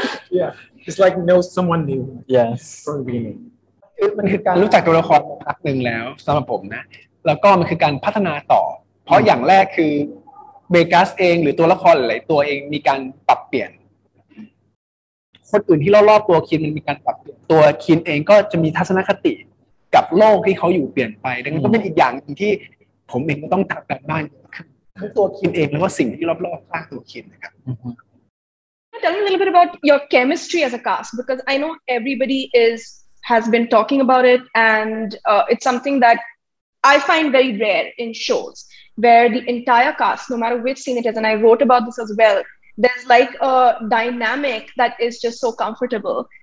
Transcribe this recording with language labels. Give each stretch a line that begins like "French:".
English: Yeah, it's like know someone new. Yes, from the beginning.
Thai: มันคือการรู้จักตัวละครพักหนึ่งแล้วสำหรับผมนะแล้วก็มันคือการพัฒนาต่อเพราะอย่างแรกคือเบกัสเองหรือตัวละครหลายตัวเองมีการปรับเปลี่ยนคนอื่นที่รอบๆตัวคินมันมีการปรับเปลี่ยนตัวคินเองก็จะมีทัศนคติกับโลกที่เขาอยู่เปลี่ยนไปดังนั้นก็เป็นอีกอย่างนึงที่ผมเองก็ต้องตัดกันบ้างทั้งตัวคินเองแล้วก็สิ่งที่รอบๆข้างตัวคินนะครับ
English: Tell me a little bit about your chemistry as a cast because I know everybody has been talking about it and it's something that I find very rare in shows where the entire cast, no matter which scene it is, and I wrote about this as well, there's like a dynamic that is just so comfortable.